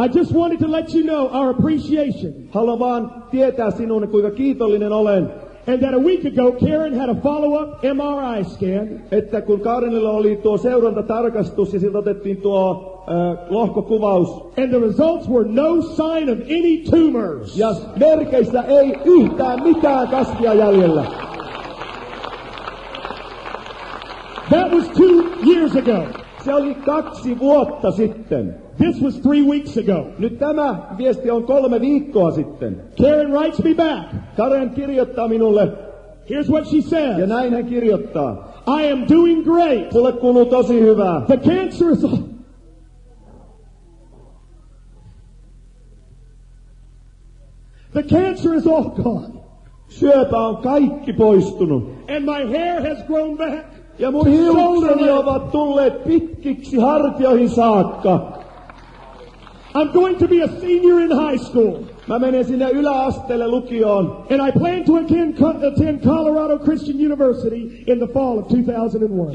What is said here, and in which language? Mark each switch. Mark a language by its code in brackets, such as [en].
[en] I just wanted to let you know our appreciation. [fi] Haluan vaan tietää sinun, kuinka kiitollinen olen. [en] And that a week ago Karen had a follow-up MRI scan. [fi] Että kun Karenilla oli tuo seurantatarkastus ja siltä otettiin tuo lohkokuvaus. [en] And the results were no sign of any tumors. [fi] Ja merkeissä ei yhtään mitään kasvia jäljellä. [en] That was 2 years ago. [fi] Se oli 2 vuotta sitten. [en] This was 3 weeks ago. [fi] Nyt tämä viesti on 3 viikkoa sitten. [en] Karen writes me back. [fi] Karen kirjoittaa minulle. [en] Here's what she says. [fi] Ja näin hän kirjoittaa. [en] I am doing great. [fi] Mulle kuuluu tosi hyvää. [en] The cancer is... The cancer is all gone. [fi] Syöpä on kaikki poistunut. [en] And my hair has grown back. [fi] Ja mun hiukseni ovat tulleet pitkiksi hartioihin saakka. [en] I'm going to be a senior in high school. [fi] Mä menen sinne yläasteelle lukioon. [en] And I plan to attend Colorado Christian University in the fall of 2001.